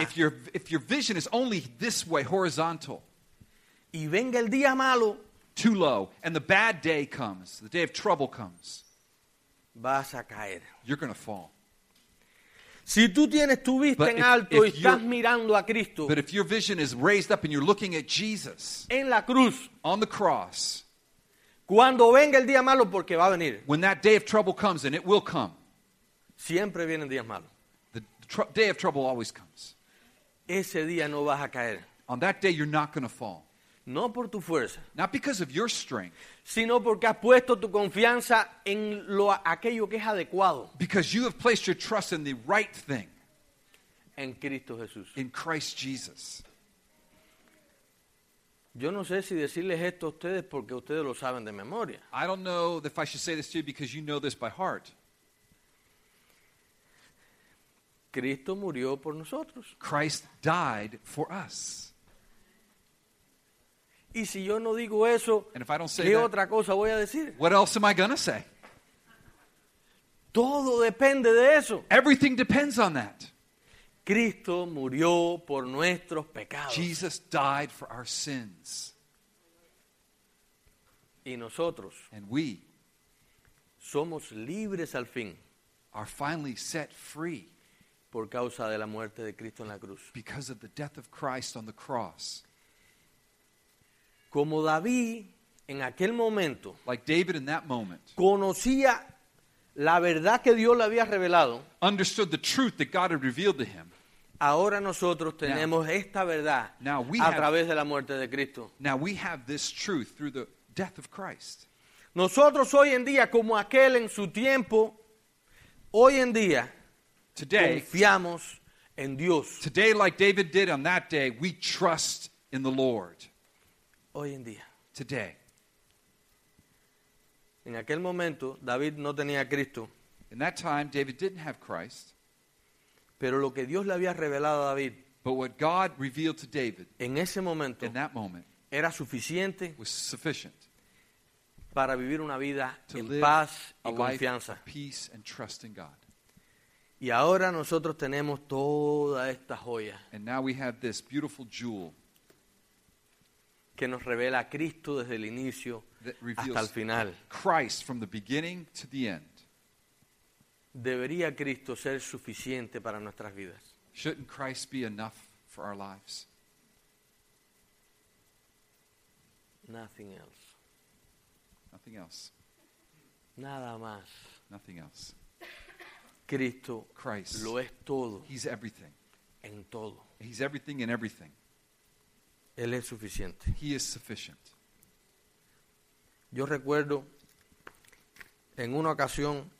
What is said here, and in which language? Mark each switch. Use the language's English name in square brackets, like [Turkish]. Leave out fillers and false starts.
[English] if your vision is only this way, horizontal, [Spanish] y venga el día malo, [English] too low, and the bad day comes, the day of trouble comes, [Spanish] vas a caer. [English] You're going to fall. [Spanish] Si tú tienes tu vista en alto y estás mirando a Cristo. [English] But if your vision is raised up and you're looking at Jesus. [Spanish] En la cruz. [English] On the cross. [Spanish] Cuando venga el día malo, porque va a venir. [English] When that day of trouble comes, and it will come. [Spanish] Siempre vienen días malos. [English] The day of trouble always comes. [Spanish] Ese día no vas a caer. [English] On that day, you're not going to fall. [Spanish] No por tu fuerza. [English] Not because of your strength. [Spanish] Sino porque has puesto tu confianza en aquello que es adecuado. [English] Because you have placed your trust in the right thing. [Spanish] En Cristo Jesús. [English] In Christ Jesus. [Spanish] Yo no sé si decirles esto a ustedes porque ustedes lo saben de memoria. [English] I don't know if I should say this to you because you know this by heart. [Spanish] Cristo murió por nosotros. [English] Christ died for us. [Spanish] Y si yo no digo eso, ¿qué otra cosa voy a decir? [English] What else am I going to say? [Spanish] Todo depende de eso. [English] Everything depends on that. [Spanish] Cristo murió por nuestros pecados. [English] Jesus died for our sins. [Spanish] Y nosotros, [English] and we, [Spanish] somos libres al fin. [English] Are finally set free. [Spanish] Por causa de la muerte de Cristo en la cruz. [English] Because of the death of Christ on the cross. [Spanish] Como David en aquel momento. [English] Like David in that moment. [Spanish] Conocía la verdad que Dios le había revelado. [English] Understood the truth that God had revealed to him. [Spanish] Ahora nosotros tenemos esta verdad a través de la muerte de Cristo. [English] Now we have this truth through the death of Christ. [Spanish] Nosotros hoy en día como aquel en su tiempo. Hoy en día. [English] Today, [Spanish] confiamos en Dios. [English] Today, like David did on that day, we trust in the Lord. [Spanish] Hoy en día. [English] Today. [Spanish] En aquel momento, David no tenía Cristo. [English] In that time, David didn't have Christ. [Spanish] Pero lo que Dios le había revelado a David. [English] But what God revealed to David. [Spanish] En ese momento. [English] In that moment. [Spanish] Era suficiente. [English] Was sufficient. [Spanish] Para vivir una vida en paz y confianza. [English] Life of peace and trust in God. [Spanish] Y ahora nosotros tenemos toda esta joya. [English] And now we have this beautiful jewel. [Spanish] Que nos revela a Cristo desde el inicio hasta el final. [English] Christ from the beginning to the end. [Spanish] Debería Cristo ser suficiente para nuestras vidas. [English] Shouldn't Christ be enough for our lives? Nothing else. Nothing else. [Spanish] Nada más. [English] Nothing else. [Spanish] Cristo [English] Christ. [Spanish] Lo es todo. [English] He's everything. [Spanish] En todo. [English] He's everything in everything. [Spanish] Él es suficiente. [English] He is sufficient. [Spanish] Yo recuerdo en una ocasión.